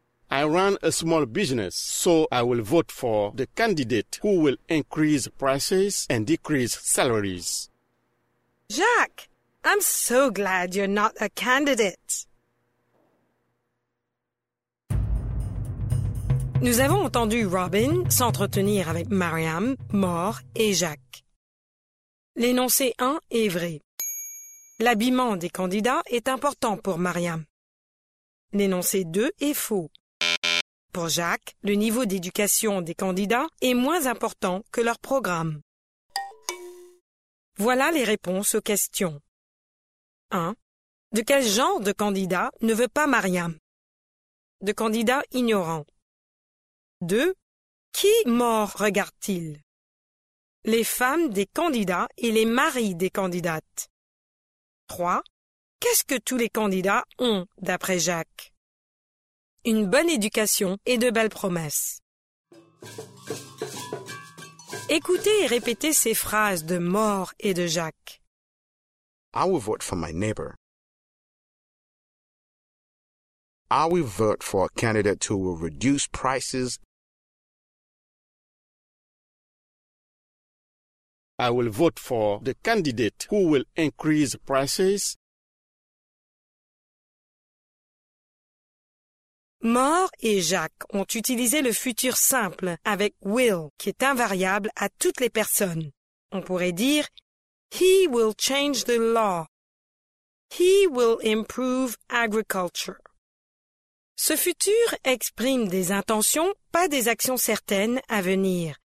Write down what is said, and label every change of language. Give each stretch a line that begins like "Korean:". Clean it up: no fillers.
English: I run a small business, so I will vote for the candidate who will increase prices and decrease salaries. Jacques, I'm so glad you're not a candidate.
French: Nous avons entendu Robin s'entretenir avec Mariam, Moore et Jacques. L'énoncé 1 est vrai. L'habillement des candidats est important pour Mariam. L'énoncé 2 est faux. Pour Jacques, le niveau d'éducation des candidats est moins important que leur programme. Voilà les réponses aux questions. 1. De quel genre de candidat ne veut pas Mariam? De candidat ignorant. 2. Qui mort regarde-t-il? Les femmes des candidats et les maris des candidates. 3. Qu'est-ce que tous les candidats ont, d'après Jacques? Une bonne éducation et de belles promesses. Écoutez et répétez ces phrases de Mort et de Jacques.
English: I will vote for my neighbor. I will vote for a candidate who will reduce prices. I will vote for the candidate who will increase prices.
French: Moore et Jacques ont utilisé le futur simple avec will, qui est invariable à toutes les personnes. On pourrait dire,
English: he will change the law. He will improve agriculture.
French: Ce futur exprime des intentions, pas des actions certaines à venir.